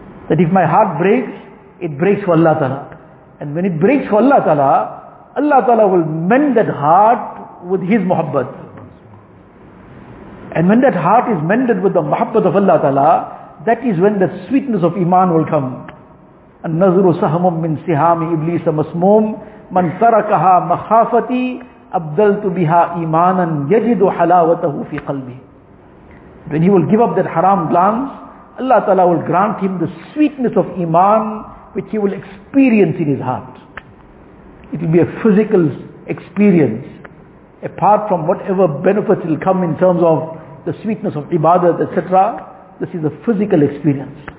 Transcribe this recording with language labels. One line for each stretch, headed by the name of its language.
English: That if my heart breaks, it breaks for Allah Ta'ala. And when it breaks for Allah Ta'ala, Allah Ta'ala will mend that heart with His muhabbat. And when that heart is mended with the muhabbat of Allah Ta'ala, that is when the sweetness of iman will come.
Arabic: النظر سهم من سهام إبليس مسموم من تركها مخافتي أَبْدَلْتُ بِهَا إِيمَانًا يَجِدُ حَلَاوَتَهُ فِي قَلْبِهِ.
English: When he will give up that haram glance, Allah Ta'ala will grant him the sweetness of Iman which he will experience in his heart. It will be a physical experience. Apart from whatever benefits will come in terms of the sweetness of ibadat, etc., this is a physical experience.